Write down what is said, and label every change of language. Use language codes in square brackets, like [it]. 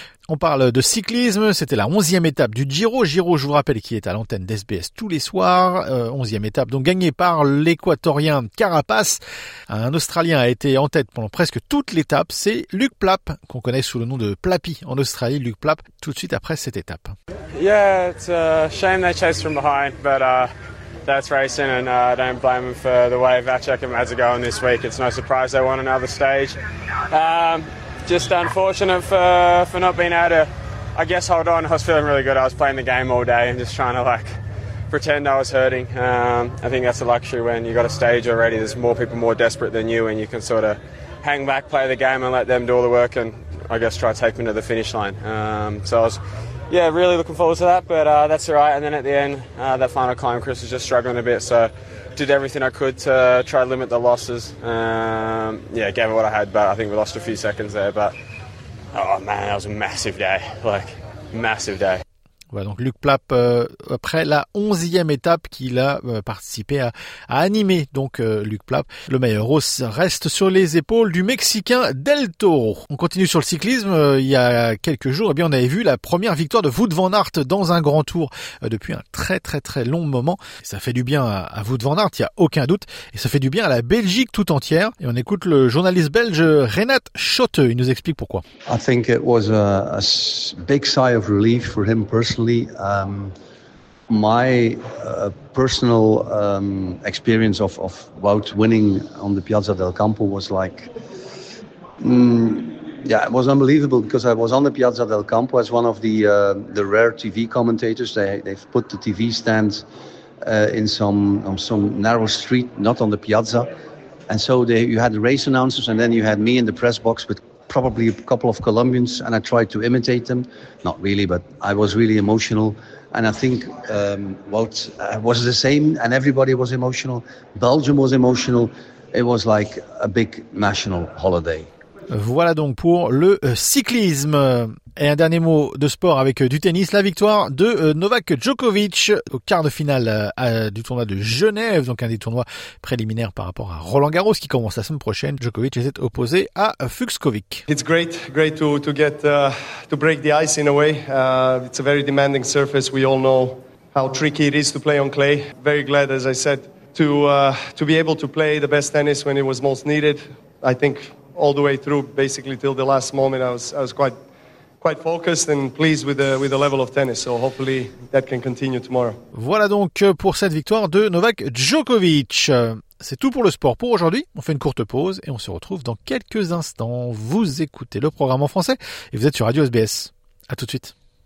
[fr] On parle de cyclisme, c'était la 11e étape du Giro. Giro, je vous rappelle, qui est à l'antenne d'SBS tous les soirs. 11e étape, donc gagnée par l'équatorien Carapaz. Un Australien a été en tête pendant presque toute l'étape. C'est Luc Plapp, qu'on connaît sous le nom de Plappy en Australie. Luc Plapp, tout de suite après cette étape. [en] Yeah, it's a shame they chased from behind, but that's racing and I don't blame them for the way Vacek and Mads are going this week. It's no surprise they won another stage. Just unfortunate for not being able to, I guess, hold on. I was feeling really good. I was playing the game all day and just trying to like pretend I was hurting. I think that's a luxury when you've got a stage already. There's more people more desperate than you and you can sort of hang back, play the game and let them do all the work and I guess try to take them to the finish line. So I was, yeah, really looking forward to that, but that's all right. And then at the end, that final climb, Chris was just struggling a bit, so did everything I could to try to limit the losses. Yeah, gave it what I had, but I think we lost a few seconds there. But oh man, that was a massive day, like massive day. [fr] Voilà, donc Luc Plapp, après la 11e étape qu'il a participé à animer, donc Luc Plapp, le maillot rose reste sur les épaules du Mexicain Del Toro. On continue sur le cyclisme. Il y a quelques jours, eh bien, on avait vu la première victoire de Wout van Aert dans un grand tour depuis un très très très long moment. Et ça fait du bien à Wout van Aert, il n'y a aucun doute. Et ça fait du bien à la Belgique tout entière. Et on écoute le journaliste belge Renat Schotteux. Il nous explique pourquoi. [en] I think it was a big sigh of relief for him personally. Personally, my personal experience of Wout winning on the Piazza del Campo was like, it was unbelievable because I was on the Piazza del Campo as one of the rare TV commentators. They've put the TV stand in some narrow street, not on the Piazza. And so you had the race announcers and then you had me in the press box with probably a couple of Colombians, and I tried to imitate them. Not really, but I was really emotional. And I think Wout was the same, and everybody was emotional. Belgium was emotional. It was like a big national holiday. [fr] Voilà donc pour le cyclisme. Et un dernier mot de sport avec du tennis, la victoire de Novak Djokovic au quart de finale du tournoi de Genève, donc un des tournois préliminaires par rapport à Roland-Garros qui commence la semaine prochaine. Djokovic est opposé à Fuchskovic. [en] It's great to get to break the ice in a way. It's a very demanding surface. We all know how tricky it is to play on clay. Very glad, as I said, to be able to play the best tennis when it was most needed. I think all the way through, basically till the last moment, I was quite focused and pleased with the level of tennis, so hopefully that can continue tomorrow. [fr] Voilà donc pour cette victoire de Novak Djokovic. C'est tout pour le sport pour aujourd'hui. On fait une courte pause et on se retrouve dans quelques instants. Vous écoutez le programme en français et vous êtes sur Radio SBS. À tout de suite.